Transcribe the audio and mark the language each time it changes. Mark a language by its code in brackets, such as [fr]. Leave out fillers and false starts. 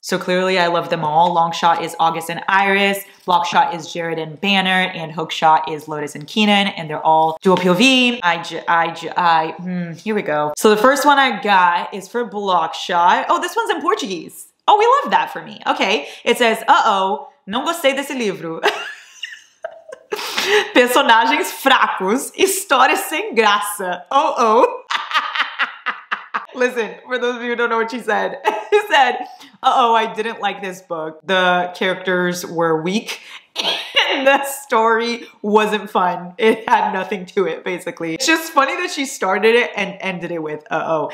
[en] So clearly I love them all. Long Shot is August and Iris, Block Shot is Jared and Banner, and Hook Shot is Lotus and Keenan, and they're all dual POV. Here we go. So the first one I got is for Block Shot. Oh, this one's in Portuguese. Oh, we love that for me. Okay. It says, uh-oh, [pt] não gostei desse livro. Personagens fracos, histórias sem graça. [en] Uh-oh. Listen, for those of you who don't know what she said, she said, uh-oh, I didn't like this book. The characters were weak and the story wasn't fun. It had nothing to it, basically. It's just funny that she started it and ended it with uh-oh.